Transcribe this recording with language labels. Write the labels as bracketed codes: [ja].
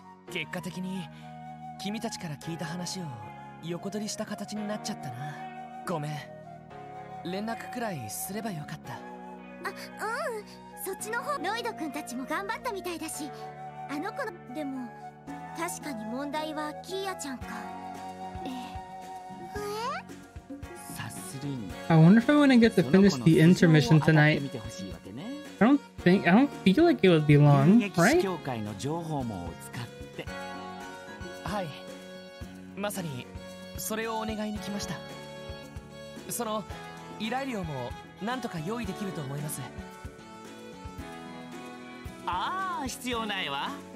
[ja] Kekka teki ni kimi tachi kara kiita hanashi o横取りした形になっちゃったな。ごめん。連絡くらいすればよかった。あ、うん。そっちの方、ロイド君たちも頑張ったみたいだし。あの子の、でも、確かに問題はキーヤちゃんか。え？察するに。 [en] I wonder if I'm gonna get to finish the intermission tonight. I don't feel like it would be long, right? [ja] 遊撃士協会の情報網を使って。はい。まさに。それをお願いに来ました。その依頼料もなんとか用意できると思います。ああ、必要ないわ。